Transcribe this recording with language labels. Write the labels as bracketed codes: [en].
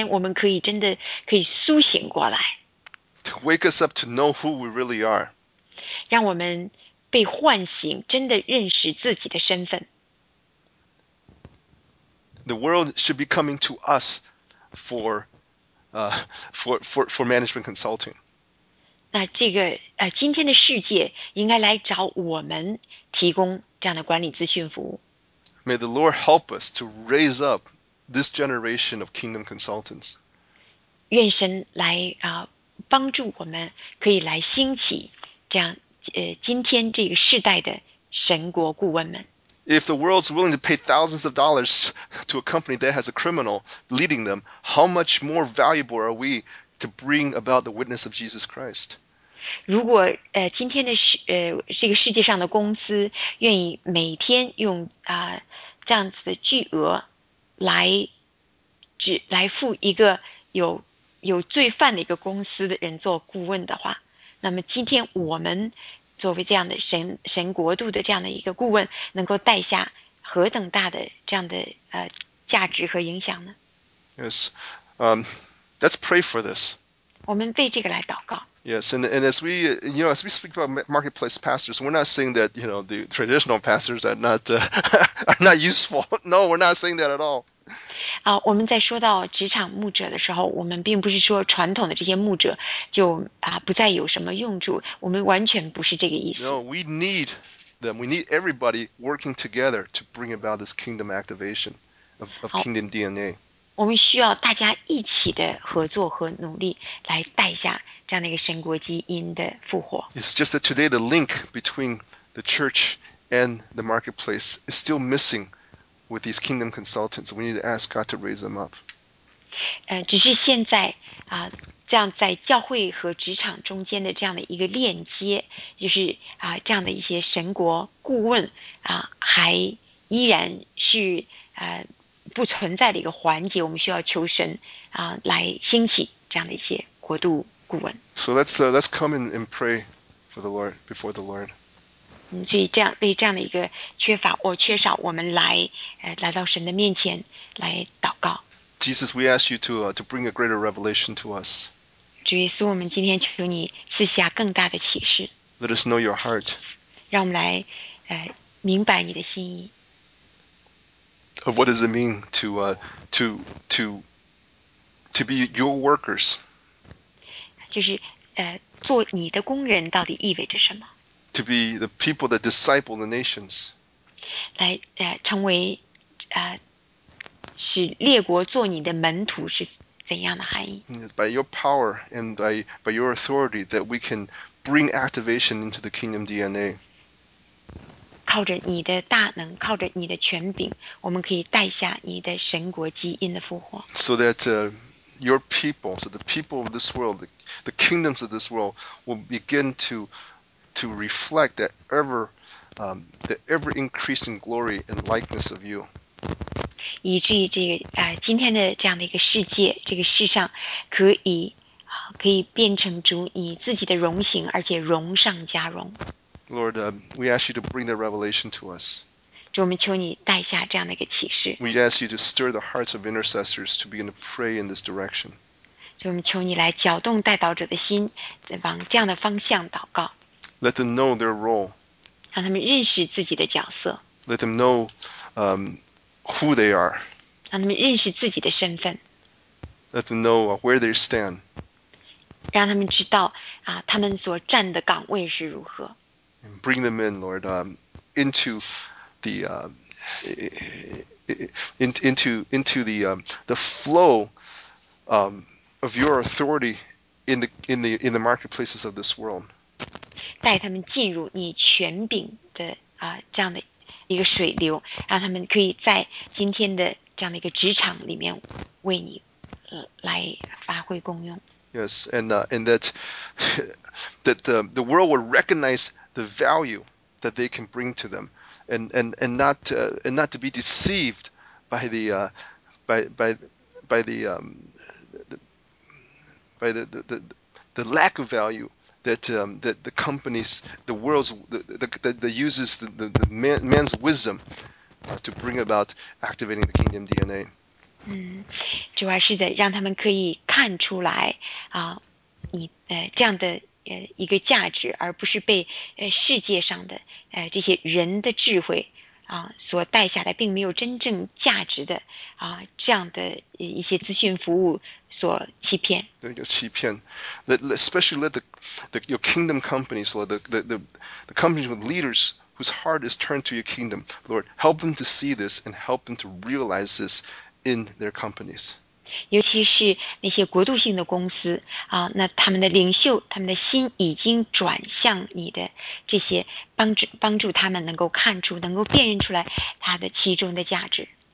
[zh] 我的祷告是希望我们在今天我们可以真的苏醒过来。 [en] To wake us up to know who we really are. [zh] 让我们被唤醒，真的认识自己的身份。 [en] The world should be coming to us for management consulting. [zh] 那这个今天的世界应该来找我们提供这样的管理咨询服务。 [en] May the Lord help us to raise up this generation of kingdom consultants. [zh] 愿神来帮助我们，可以来兴起这样今天这个世代的神国顾问们。 [en] If the world's willing to pay thousands of dollars to a company that has a criminal leading them, how much more valuable are we to bring about the witness of Jesus Christ? [zh] 如果今天的这个世界上的公司愿意每天用这样子的巨额来付一个有罪犯的一个公司的人做顾问的话，那么今天我们作为这样的神国度的这样的一个顾问，能够带下何等大的这样的价值和影响呢？ [en] Yes, let's pray for this. [zh] 我们为这个来祷告。 [en] Yes, and as we you know as we speak about marketplace pastors, we're not saying that you know the traditional pastors are not are not useful. No, we're not saying that at all. [zh] 我们在说到职场牧者的时候，我们并不是说传统的这些牧者就不再有什么用处，我们完全不是这个意思。 [en] No, we need them. We need everybody working together to bring about this kingdom activation of kingdom DNA. [zh] 我们需要大家一起的合作和努力，来带下这样的一个神国基因的复活。 [en] It's just that today the link between the church and the marketplace is still missing. With these kingdom consultants, we need to ask God to raise them up. [zh] 只是现在这样在教会和职场中间的这样的一个链接，就是这样的一些神国顾问还依然是不存在的一个环节。我们需要求神来兴起这样的一些国度顾问。 [en] So let's come in and pray for the Lord before the Lord. [zh] 所以这样为这样的一个缺乏或缺少，我们来到神的面前来祷告。 [en] Jesus, we ask you to bring a greater revelation to us. [zh] 主耶稣，我们今天求你赐下更大的启示。 [en] Let us know your heart. [zh] 让我们来明白你的心意。 [en] Of what does it mean to be your workers? [zh] 就是做你的工人到底意味着什么？ [en] To be the people that disciple the nations. [zh] 来成为使列国做你的门徒是怎样的含义？ [en] By your power and by your authority that we can bring activation into the kingdom DNA. [zh] 靠着你的大能，靠着你的权柄，我们可以带下你的神国基因的复活。 [en] So that your people, so the people of this world, the kingdoms of this world will begin to reflect that ever increasing glory and likeness of you. [zh] 以至于这个今天的这样的一个世界，这个世上可以变成主你自己的荣形，而且荣上加荣。 [en] Lord, we ask you to bring the revelation to us. [zh] 主，我们求你带下这样的一个启示。 [en] We ask you to stir the hearts of intercessors to begin to pray in this direction. [zh] 主，我们求你来搅动代祷者的心，往这样的方向祷告。 [en] Let them know their role. [zh] 让他们认识自己的角色。 [en] Let them know, who they are. [zh] 让他们认识自己的身份。 [en] Let them know where they stand. [zh] 让他们知道他们所站的岗位是如何。 [en] Bring them in, Lord, into the into the flow of your authority in the in the in the marketplaces of this world. [zh] 带他们进入你权柄的啊、这样的一个水流，让他们可以在今天的这样的一个职场里面为你来发挥功用。 [en] Yes, and that the world will recognize the value that they can bring to them, and not to be deceived by the the lack of value that that the companies the world's that uses the man's wisdom to bring about activating the kingdom DNA. [zh] 嗯，主要是的，让他们可以看出来啊，你这样的一个价值，而不是被世界上的这些人的智慧啊所带下来，并没有真正价值的啊这样的一些资讯服务所欺骗。对，就欺骗。 [en] Especially let the your kingdom companies, Lord, the companies with leaders whose heart is turned to your kingdom, Lord, help them to see this and help them to realize this in their companies. [zh] 尤其是那些国度性的公司啊，那他们的领袖，他们的心已经转向你的这些帮助他们能够看出，能够辨认出来它的其中的价值。